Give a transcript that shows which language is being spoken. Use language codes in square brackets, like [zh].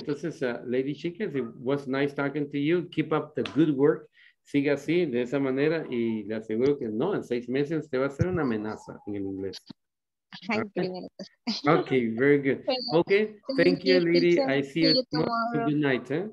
[es] Entonces, [en] lady [es] chicas, [en] it was nice talking to you. Keep up the good work. [es] Siga así, de esa manera, y le aseguro que no, en 6 meses te va a ser una amenaza en el inglés. [en] Right. Okay, very good. Okay, thank you, lady. I see you tomorrow. Good night.